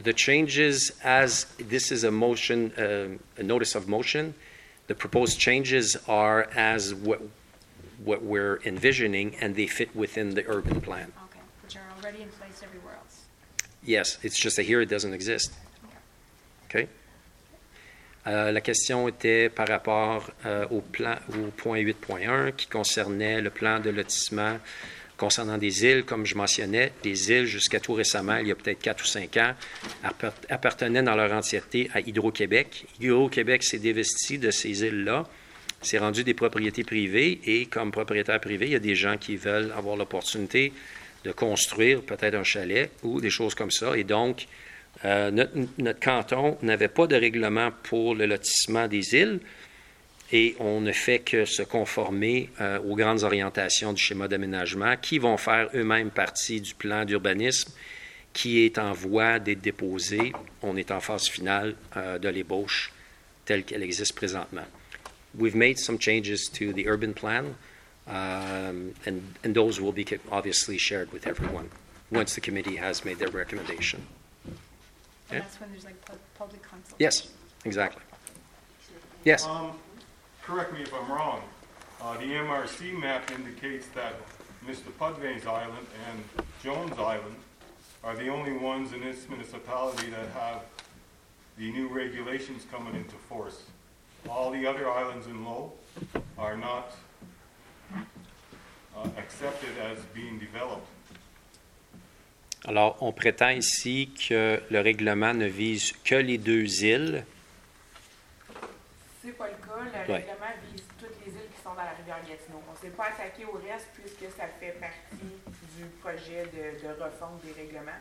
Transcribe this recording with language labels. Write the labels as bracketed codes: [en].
[en] The changes, as this is a motion, a notice of motion, the proposed changes are as what we're envisioning, and they fit within the urban plan. Okay, which are already in place everywhere else. Yes, it's just that here it doesn't exist. Okay. [fr] La question était par rapport au plan, au point 8.1 qui concernait le plan de lotissement concernant des îles, comme je mentionnais. Les îles, jusqu'à tout récemment, il y a peut-être 4 ou 5 ans, appartenaient dans leur entièreté à Hydro-Québec. Hydro-Québec s'est dévesti de ces îles-là, s'est rendu des propriétés privées, et comme propriétaire privé, il y a des gens qui veulent avoir l'opportunité de construire peut-être un chalet ou des choses comme ça, et donc... notre canton n'avait pas de règlement pour le lotissement des îles et on ne fait que se conformer aux grandes orientations du schéma d'aménagement qui vont faire eux-mêmes partie du plan d'urbanisme qui est en voie d'être déposé. On est en phase finale de l'ébauche telle qu'elle existe présentement. [en] We've made some changes to the urban plan and those will be obviously shared with everyone once the committee has made their recommendation. And yeah. That's when there's like public consultation. Yes, exactly. Yes? Correct me if I'm wrong. The MRC map indicates that Mr. Pudvane's island and Jones Island are the only ones in this municipality that have the new regulations coming into force. All the other islands in Lowe are not accepted as being developed. [fr] Alors, on prétend ici que le règlement ne vise que les deux îles. C'est pas le cas. Le règlement vise toutes les îles qui sont dans la rivière Gatineau. On ne s'est pas attaqué au reste puisque ça fait partie du projet de refonte des règlements.